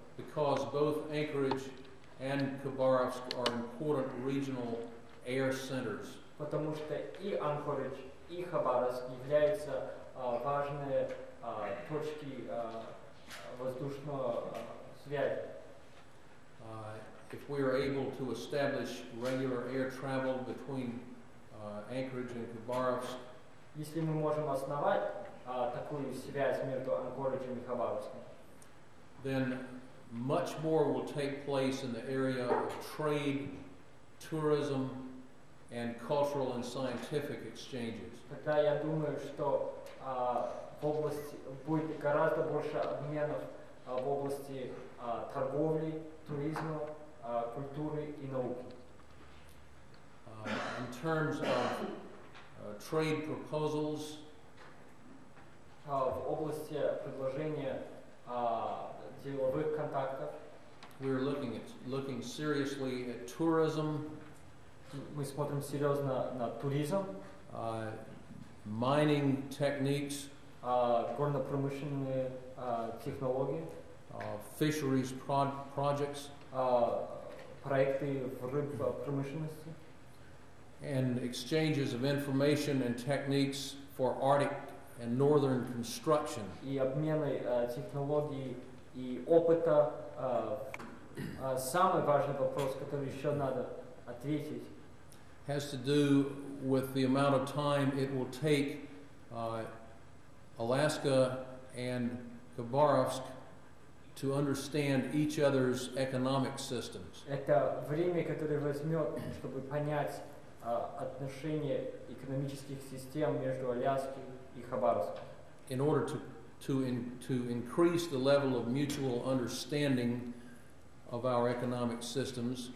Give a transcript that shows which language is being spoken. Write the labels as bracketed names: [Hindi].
[English] Because both Anchorage and Khabarovsk are important regional air centers. [Russian] Потому что и Anchorage, и Хабаровск являются важные точки воздушного связи. [English] If we are able to establish regular air travel between Anchorage and Khabarovsk, [Russian] если мы можем основать такую связь между Anchorage и Хабаровском, [English] then much more will take place in the area of trade, tourism, and cultural and scientific exchanges. [Russian] Тогда я думаю, что в области будет гораздо больше обменов в области торговли, туризма, культуры и науки. [English] In terms of trade proposals, [Russian] в области предложения деловых контактов, [English] we're looking seriously at tourism. [Russian] Мы смотрим серьезно на туризм. [English] Mining techniques. [Russian] Горно-промышленные технологии. [English] Fisheries projects. [Russian] Проекты в рыбопромышленности. [English] And exchanges of information and techniques for Arctic and Northern construction. [Russian] И обмены технологий и опыта. Самый важный вопрос, который еще надо ответить. [English] Has to do with the amount of time it will take Alaska and Khabarovsk to understand each other's economic systems. [Russian] Это время, которое возьмет, чтобы понять отношения экономических систем между Аляской и Хабаровском. [English] In order to increase the level of mutual understanding of our economic systems.